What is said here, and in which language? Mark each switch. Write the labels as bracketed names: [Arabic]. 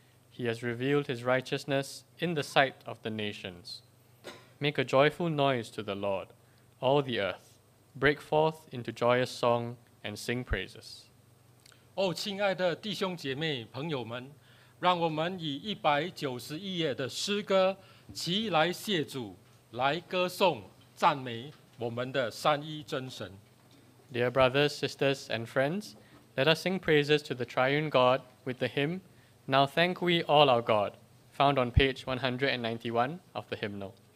[English] He has revealed his righteousness in the sight of the nations. Make a joyful noise to the Lord, all the earth. Break forth into joyous song and sing praises. [Chinese] Oh, 亲爱的弟兄姐妹、朋友们，让我们以191页的诗歌齐来谢主，来歌颂、赞美我们的三一真神。 [English] Dear brothers, sisters, and friends, let us sing praises to the triune God with the hymn Now Thank We All Our God, found on page 191 of the hymnal.